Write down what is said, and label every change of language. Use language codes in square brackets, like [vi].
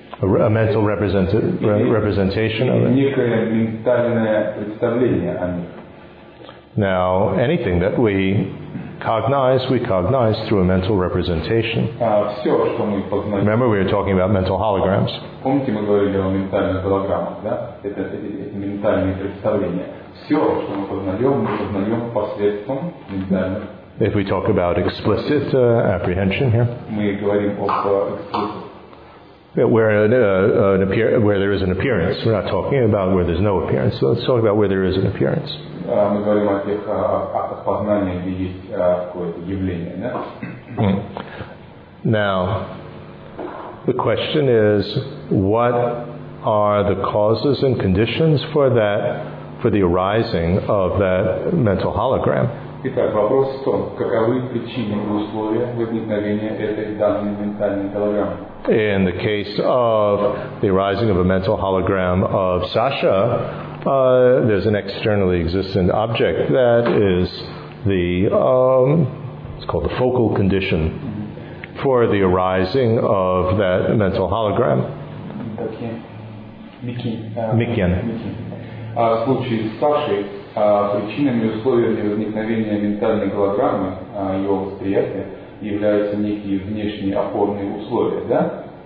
[en] A mental representation of it. [ru] Некое ментальное представление о них. [en] Now, anything that we cognize through a mental representation. Remember, we were talking about mental holograms. [ru] Помните, мы говорили о ментальных голограммах, да? Это ментальные представления. Все, что мы познаем посредством ментальных. [en] If we talk about explicit apprehension here. [ru] Мы говорим об explicit. [en] Where there is an appearance. We're not talking about where there's no appearance. So let's talk about where there is an appearance. [ru] Мы говорим о тех актах познания, где есть какое-то явление, да? [en] Now, the question is, what are the causes and conditions for that, for the arising of that mental hologram? [ru] Итак, вопрос в том, каковы причины и условия возникновения этой данной ментальной голограммы? [en] In the case of the arising of a mental hologram of Sasha, there's an externally existent object that is the, it's called the focal condition for the arising of that mental hologram. Микен. [ru] В случае с Сашей, причинами и условиями возникновения ментальной голограммы, его восприятия, являются некие внешние опорные условия, да?